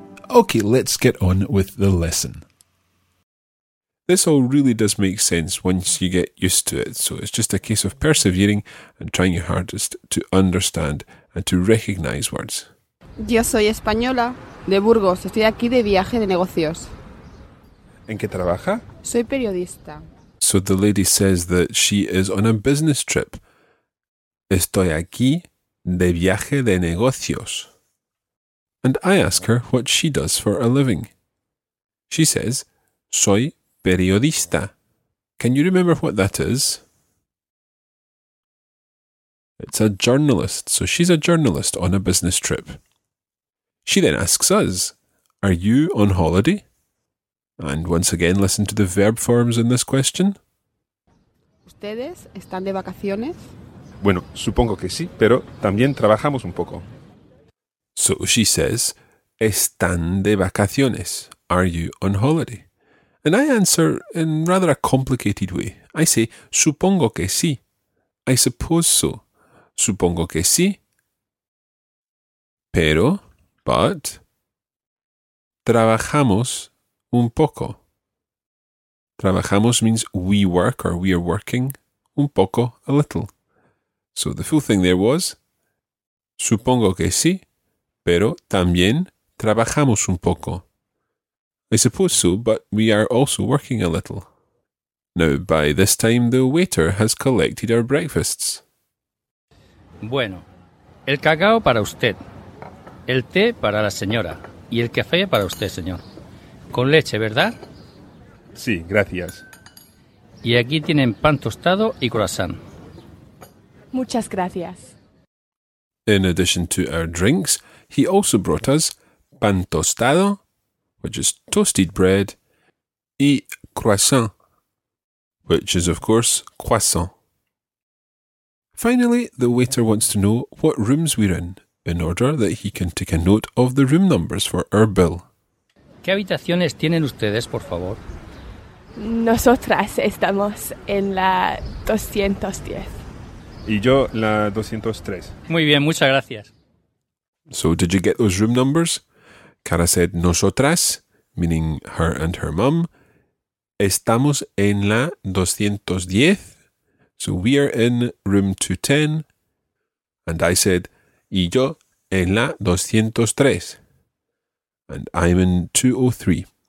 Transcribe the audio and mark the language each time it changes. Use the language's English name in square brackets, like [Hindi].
[English] Okay, let's get on with the lesson. This all really does make sense once you get used to it, so it's just a case of persevering and trying your hardest to understand and to recognize words. [Spanish] Yo soy española, de Burgos. Estoy aquí de viaje de negocios. ¿En qué trabaja? Soy periodista. [English] So the lady says that she is on a business trip. [Spanish] Estoy aquí de viaje de negocios. [English] And I ask her what she does for a living. She says, [Spanish] soy periodista. [English] Can you remember what that is? It's a journalist, so she's a journalist on a business trip. She then asks us, are you on holiday? And once again, listen to the verb forms in this question. [Spanish] ¿Ustedes están de vacaciones? Bueno, supongo que sí, pero también trabajamos un poco. [English] So she says, [Spanish] están de vacaciones. [English] Are you on holiday? And I answer in rather a complicated way. I say, [Spanish] supongo que sí. [English] I suppose so. [Spanish] Supongo que sí. Pero, but, trabajamos un poco. [English] Trabajamos means we work or we are working. [Spanish] Un poco, [English] a little. So the full thing there was, [Spanish] supongo que sí. Pero también trabajamos un poco. [English] I suppose so, but we are also working a little. Now, by this time, the waiter has collected our breakfasts. [Spanish] Bueno, el cacao para usted, el té para la señora y el café para usted, señor. Con leche, ¿verdad? Sí, gracias. Y aquí tienen pan tostado y croissant. Muchas gracias. [English] In addition to our drinks, he also brought us pan tostado, which is toasted bread, y croissant, which is, of course, croissant. Finally, the waiter wants to know what rooms we're in order that he can take a note of the room numbers for our bill. [Spanish] ¿Qué habitaciones tienen ustedes, por favor? Nosotras estamos en la 210. Y yo la 203. Muy bien, muchas gracias. [English] So did you get those room numbers? Cara said nosotras, meaning her and her mum. [Spanish] Estamos en la 210. [English] So we are in room 210. And I said [Spanish] y yo en la 203. [English] And I'm in 203.